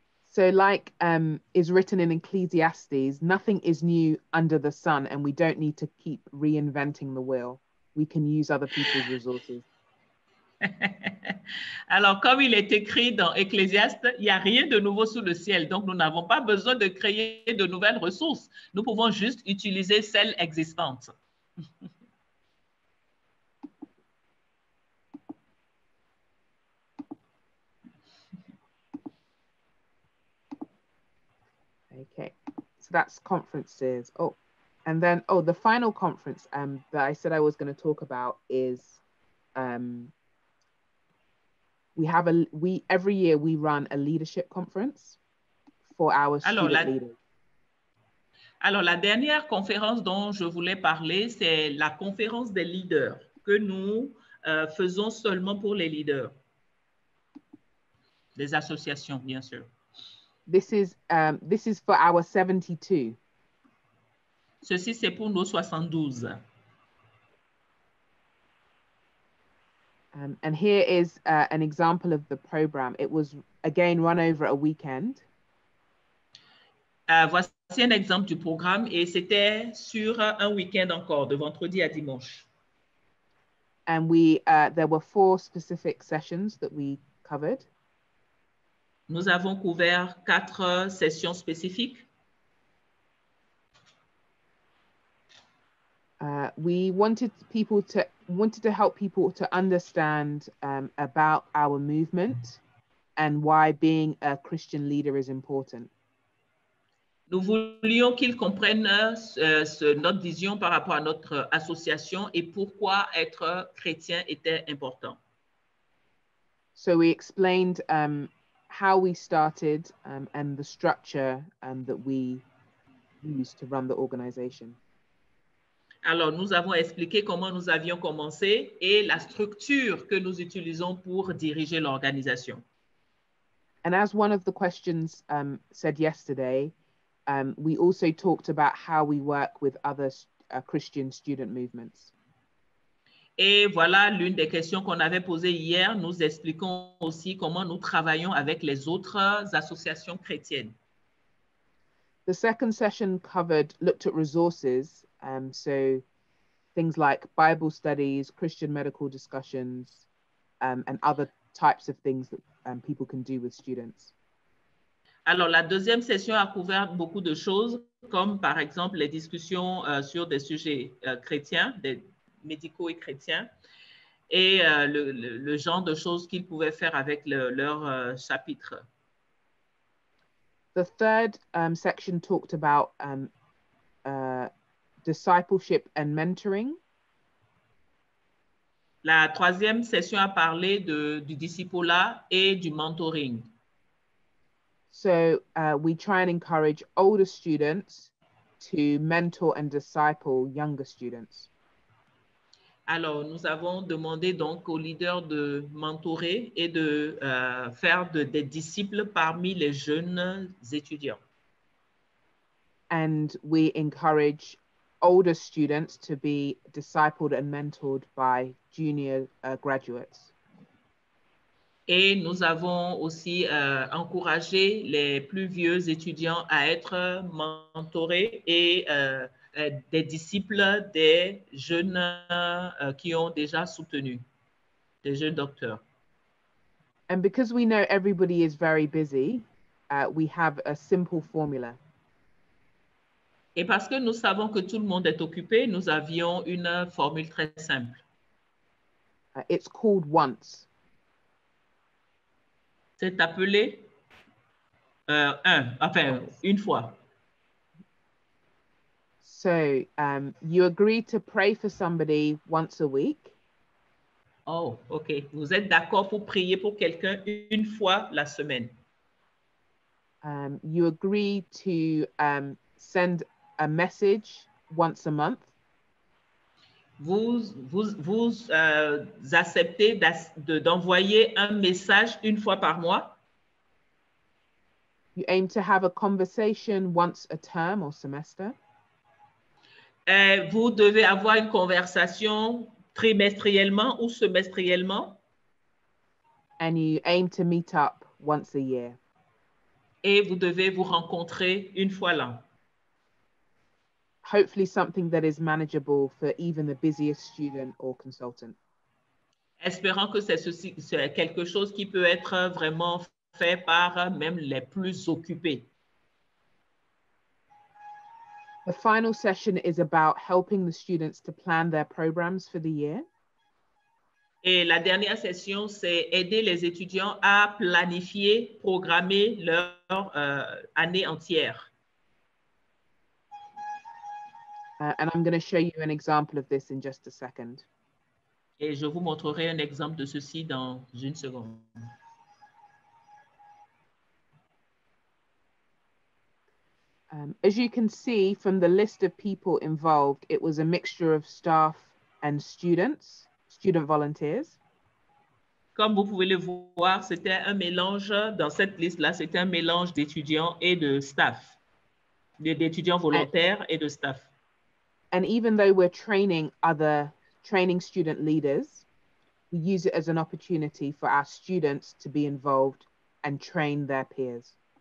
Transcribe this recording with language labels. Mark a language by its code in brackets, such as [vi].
[en] So, like is written in Ecclesiastes, nothing is new under the sun and we don't need to keep reinventing the wheel. We can use other people's resources. [fr] Alors, comme il est écrit dans Ecclésiaste, il n'y a rien de nouveau sous le ciel, donc nous n'avons pas besoin de créer de nouvelles ressources. Nous pouvons juste utiliser celles existantes. [en] Okay, so that's conferences. Oh, and then, oh, the final conference that I said I was going to talk about is every year we run a leadership conference for our student leaders. [fr] Alors, la dernière conférence dont je voulais parler, c'est la conférence des leaders que nous faisons seulement pour les leaders des associations, bien sûr. [en] This is for our 72. [fr] Ceci, c'est pour nos 72. [en] And here is an example of the program. It was, again, run over a weekend. [fr] Voici un exemple du programme et c'était sur un week-end encore, de vendredi à dimanche. [en] And we, there were four specific sessions that we covered. [fr] Nous avons couvert quatre sessions spécifiques. [en] We wanted to help people to understand about our movement and why being a Christian leader is important. [fr] Nous voulions qu'ils comprennent notre vision par rapport à notre association et pourquoi être chrétien était important. [en] So we explained how we started and the structure that we used to run the organization. [fr] Alors, nous avons expliqué comment nous avions commencé et la structure que nous utilisons pour diriger l'organisation. [en] And as one of the questions said yesterday, we also talked about how we work with other Christian student movements. [fr] Et voilà l'une des questions qu'on avait posées hier. Nous expliquons aussi comment nous travaillons avec les autres associations chrétiennes. [en] The second session looked at resources, so things like Bible studies, Christian medical discussions, and other types of things that people can do with students. [fr] Alors, la deuxième session a couvert beaucoup de choses, comme par exemple les discussions sur des sujets chrétiens, des médicaux et chrétiens, et le genre de choses qu'ils pouvaient faire avec leur chapitre. [en] The third section talked about discipleship and mentoring. [fr] La troisième session a parlé du discipulat et du mentoring. [en] So we try and encourage older students to mentor and disciple younger students. [fr] Alors, nous avons demandé donc aux leaders de mentorer et de faire des disciples parmi les jeunes étudiants. [en] And we encourage older students to be discipled and mentored by junior graduates. [fr] Et nous avons aussi encouragé les plus vieux étudiants à être mentorés et des disciples des jeunes qui ont déjà soutenu, des jeunes docteurs. [en] And because we know everybody is very busy, we have a simple formula. [fr] Et parce que nous savons que tout le monde est occupé, nous avions une formule très simple. [en] It's called once. [fr] C'est appelé une fois. [en] So, you agree to pray for somebody once a week. Oh, okay. [fr] Vous êtes d'accord pour prier pour quelqu'un une fois la semaine. [en] You agree to send a message once a month. [fr] Vous acceptez d'envoyer un message une fois par mois. [en] You aim to have a conversation once a term or semester. [fr] Vous devez avoir une conversation trimestriellement ou semestriellement. [en] And you aim to meet up once a year. [fr] Et vous devez vous rencontrer une fois l'an. [en] Hopefully something that is manageable for even the busiest student or consultant. [fr] Espérant que c'est quelque chose qui peut être vraiment fait par même les plus occupés. [en] The final session is about helping the students to plan their programs for the year. [fr] Et la dernière session, c'est aider les étudiants à planifier, programmer leur année entière. [en] And I'm going to show you an example of this in just a second. [fr] Et je vous montrerai un exemple de ceci dans une seconde. [en] As you can see from the list of people involved, it was a mixture of staff and students, student volunteers. [fr] Comme vous pouvez le voir, c'était un mélange dans cette liste-là, c'était un mélange d'étudiants et de staff, d'étudiants volontaires et de staff. [en] And even though we're training other training student leaders, we use it as an opportunity for our students to be involved and train their peers.